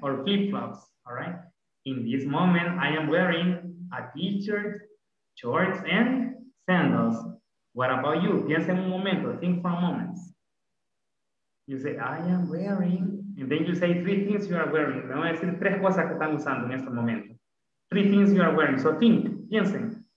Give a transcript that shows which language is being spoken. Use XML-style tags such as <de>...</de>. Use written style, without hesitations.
<en>Or flip-flops, all right? In this moment, I am wearing a t-shirt, shorts, and sandals. What about you?</en> <es>Piensa en un momento,</es> <en>think for a moment. You say, I am wearing, and then you say three things you are wearing.</en> <es>Me voy a decir tres cosas que están usando en este momento.</es> <en>Three things you are wearing, so think,</en> <es>piensen.</es>